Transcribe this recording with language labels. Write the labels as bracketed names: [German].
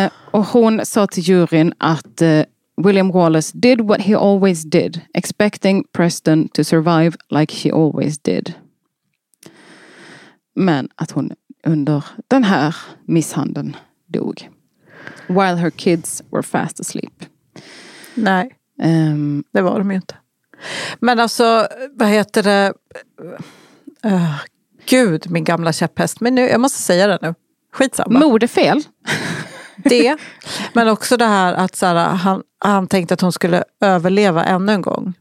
[Swedish] Och hon sa till juryn att [English] William Wallace did what he always did, expecting Preston to survive like he always did. [Swedish] Men att hon under den här misshandeln dog. [English] While her kids were fast asleep. [Swedish] Nej, det var de ju inte. Men alltså, vad heter det? Gud, min gamla käpphäst. Men nu, jag måste säga det nu. Skitsamma. Mord är fel. Det. Men också det här att så här, han tänkte att hon skulle överleva ännu en gång.